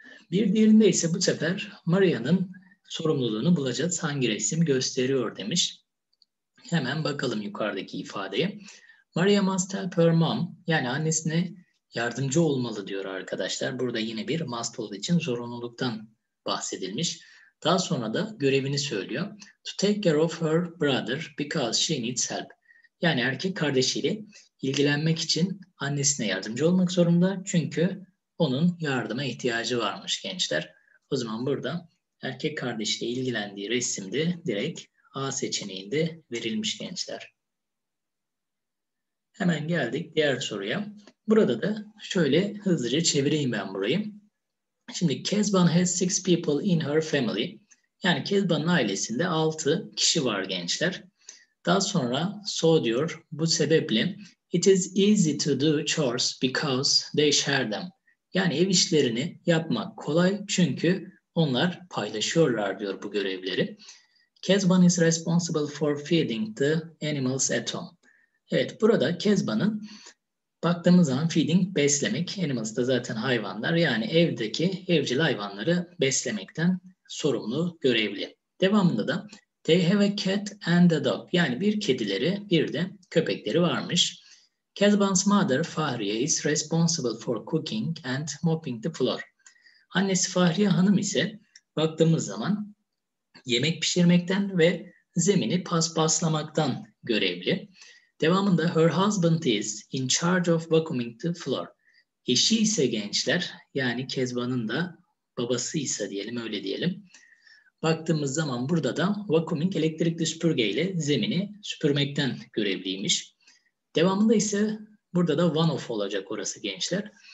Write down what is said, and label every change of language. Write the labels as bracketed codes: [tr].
[tr] Bir diğerinde ise bu sefer Maria'nın sorumluluğunu bulacağız. Hangi resim gösteriyor demiş. Hemen bakalım yukarıdaki ifadeye. [en] Maria must help her mom. [tr] Yani annesine yardımcı olmalı diyor arkadaşlar. Burada yine bir must olduğu için zorunluluktan bahsedilmiş. Daha sonra da görevini söylüyor. [en] To take care of her brother because she needs help. [tr] Yani erkek kardeşiyle ilgilenmek için annesine yardımcı olmak zorunda. Çünkü onun yardıma ihtiyacı varmış gençler. O zaman burada erkek kardeşiyle ilgilendiği resimde direkt A seçeneğinde verilmiş gençler. Hemen geldik diğer soruya. Burada da şöyle hızlıca çevireyim ben burayı. Şimdi [en] Kezban has 6 people in her family. [tr] Yani Kezban'ın ailesinde 6 kişi var gençler. Daha sonra [en] so [tr] diyor, bu sebeple [en] it is easy to do chores because they share them. [tr] Yani ev işlerini yapmak kolay çünkü onlar paylaşıyorlar diyor bu görevleri. [en] Kezban is responsible for feeding the animals at home. [tr] Evet burada Kezban'ın baktığımız zaman feeding beslemek. Animals da zaten hayvanlar, yani evdeki evcil hayvanları beslemekten sorumlu görevli. Devamında da [en] they have a cat and a dog. [tr] Yani bir kedileri bir de köpekleri varmış. [en] Kezban's mother Fahriye is responsible for cooking and mopping the floor. [tr] Annesi Fahriye Hanım ise baktığımız zaman yemek pişirmekten ve zemini paspaslamaktan görevli. Devamında [en] her husband is in charge of vacuuming the floor. [tr] Eşi ise gençler, yani Kezban'ın da babasıysa diyelim, öyle diyelim. Baktığımız zaman burada da vacuuming, elektrikli süpürge ile zemini süpürmekten görevliymiş. Devamında ise burada da one of olacak orası gençler.